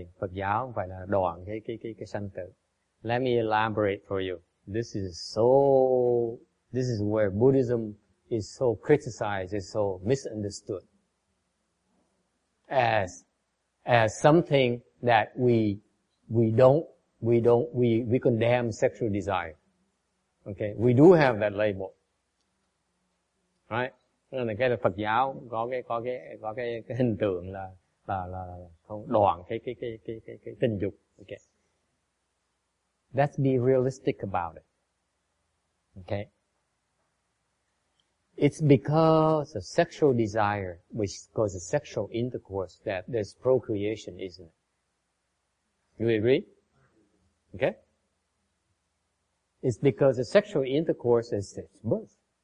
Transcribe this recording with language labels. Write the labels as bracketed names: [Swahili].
[Vietnamese] giáo, không phải là đoạn cái sanh tử. [English] Let me elaborate for you. This is where Buddhism is so criticized, is so misunderstood as something that we condemn sexual desire. Okay, we do have that label, right? [Vietnamese] Nên là cái Phật giáo có cái hình tượng là không đoạn cái tình dục. [English] Okay, let's be realistic about it. Okay, it's because of sexual desire, which causes sexual intercourse, that there's procreation, isn't it? You agree? Okay. It's because of sexual intercourse is birth.